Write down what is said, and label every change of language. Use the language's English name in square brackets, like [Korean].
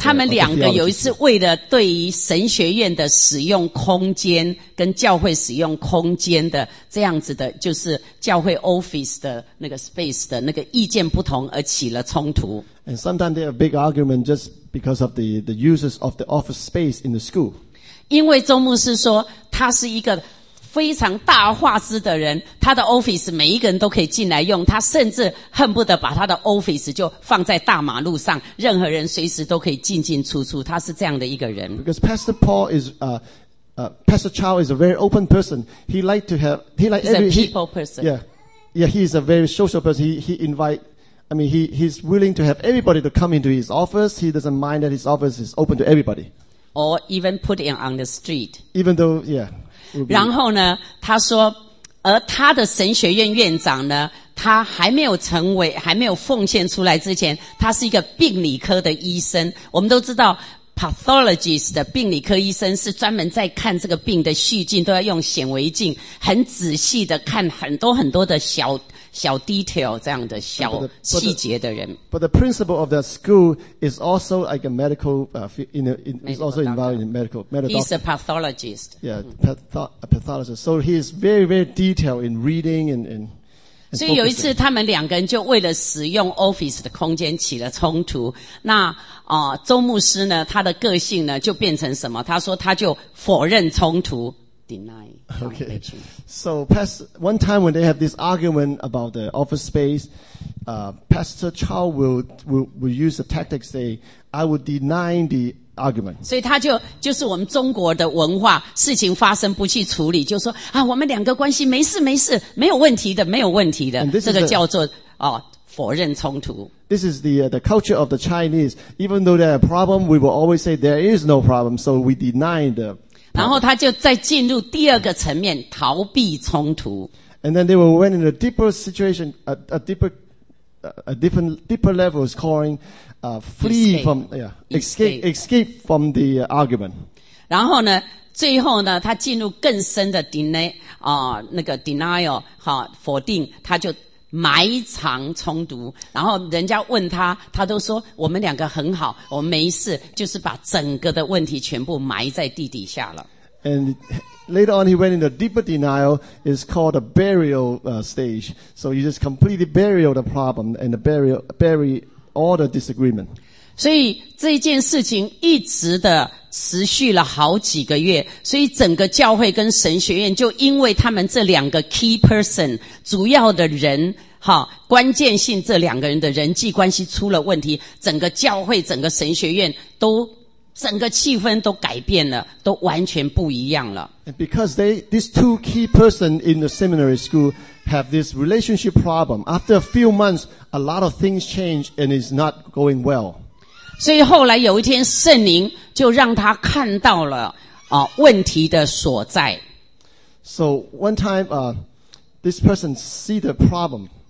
[Chinese] 他们两个有一次为了对于神学院的使用空间跟教会使用空间的这样子的，就是教会 office 的那个 space 的那个意见不同而起了冲突。 [English] And sometimes they have a big argument just because of the uses of the office space in the school. [Chinese] 因为周牧师说他是一个非常大画质的人，他的 office 每一个人都可以进来用，他甚至恨不得把他的 office 就放在大马路上，任何人随时都可以进进出出，他是这样的一个人。 [English] Because Pastor Paul is, Pastor Chow is a very open person. He like to have, he like every, he's a people person. Yeah, he is a very social person. He invite I mean, he's willing to have everybody to come into his office. He doesn't mind that his office is open to everybody. Or even put him on the street. Even though, yeah. [Chinese] 然后呢，他说，而他的神学院院长呢，他还没有成为，还没有奉献出来之前，他是一个病理科的医生。我们都知道 ，pathologist 的病理科医生是专门在看这个病的细菌，都要用显微镜，很仔细的看很多很多的小。小 detail 这样的小细节的人。 [English] But the principal of that school is also like a medical, is also involved in medical, medical. He's a pathologist. Yeah, a pathologist. So he is very, very detailed in reading and [Chinese] 所以有一次他们两个人就为了使用 office 的空间起了冲突。那周牧师呢，他的个性呢就变成什么？他说他就否认冲突。Deny. [English] Okay. So, Pastor, one time when they have this argument about the office space, Pastor Chow will use the tactics say, I will deny the argument. [Chinese] 所以他就是我们中国的文化，事情发生不去处理，就说啊，我们两个关系没事没事，没有问题的，没有问题的。这个叫做否认冲突。 [English] This is the culture of the Chinese. Even though there are problem, we will always say there is no problem. So we deny the. [Chinese] 然后他就再进入第二个层面，逃避冲突。 [English] And then they were went in a deeper situation, a deeper level is calling, flee from, yeah, escape from the argument. [Chinese] 然后呢，最后呢，他进入更深的 deny, 那个 denial, 好，否定，他就埋藏冲突。然后人家问他，他都说我们两个很好，我们没事，就是把整个的问题全部埋在地底下了。 [English] And later on, he went into deeper denial. It's called a burial stage. So you just completely burial the problem and bury all the disagreement. [Chinese] 所以这件事情一直的持续了好几个月，所以整个教会跟神学院就因为他们这两个 key person 主要的人，哈，关键性这两个人的人际关系出了问题，整个教会整个神学院都整个气氛都改变了，都完全不一样了。 [English] And because these two key person in the seminary school have this relationship problem, after a few months, a lot of things change and it's not going well. [Chinese] 所以后来有一天圣灵就让他看到了问题的所在。 [English] So, one time, this person see the problem.